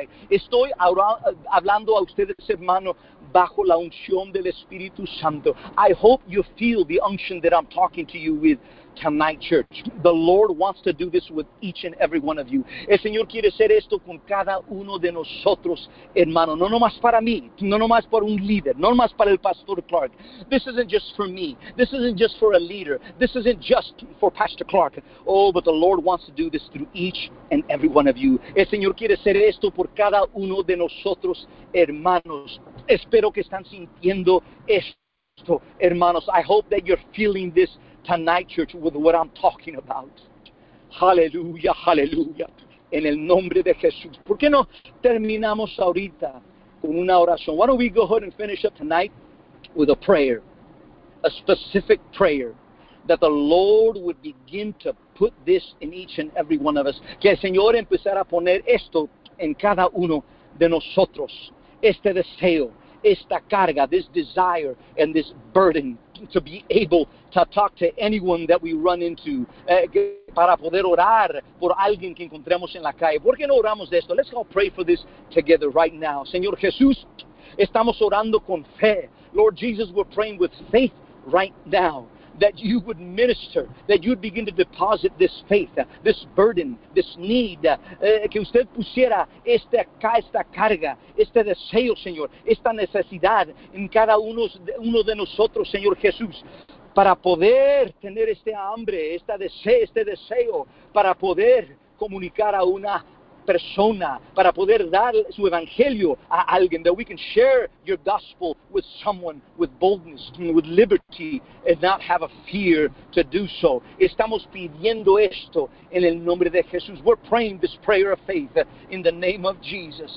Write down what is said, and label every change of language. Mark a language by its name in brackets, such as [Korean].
[Spanish] Estoy hablando a ustedes, hermano, bajo la unción del Espíritu Santo. [English] I hope you feel the unction that I'm talking to you with tonight, church. The Lord wants to do this with each and every one of you. [Spanish] El Señor quiere hacer esto con cada uno de nosotros, hermano. No nomás para mí, no nomás para un líder, no nomás para el Pastor Clark. [English] This isn't just for me. This isn't just for a leader. This isn't just for Pastor Clark. Oh, but the Lord wants to do this through each and every one of you. [Spanish] El Señor quiere hacer esto por cada uno de nosotros, hermanos. Espero que están sintiendo esto, hermanos. [English] I hope that you're feeling this tonight, church, with what I'm talking about. [Spanish] Hallelujah, hallelujah. En el nombre de Jesús. ¿Por qué no terminamos ahorita con una oración? [English] Why don't we go ahead and finish up tonight with a prayer, a specific prayer, that the Lord would begin to put this in each and every one of us. [Spanish] Que el Señor empezara a poner esto en cada uno de nosotros. Este deseo, esta carga, [English] this desire and this burden to be able to talk to anyone that we run into, [Spanish] para poder orar por alguien que encontremos en la calle. ¿Por qué no oramos de esto? [English] Let's all pray for this together right now. [Spanish] Señor Jesús, estamos orando con fe. [English] Lord Jesus, we're praying with faith right now. That you would minister, that you would begin to deposit this faith, this burden, this need, [Spanish] que usted pusiera esta carga, este deseo, Señor, esta necesidad en cada uno de nosotros, Señor Jesús, para poder tener este hambre, este deseo, para poder comunicar a una persona para poder dar su evangelio a alguien, [English] that we can share your gospel with someone with boldness, with liberty, and not have a fear to do so. [Spanish] Estamos pidiendo esto en el nombre de Jesús. [English] We're praying this prayer of faith in the name of Jesus.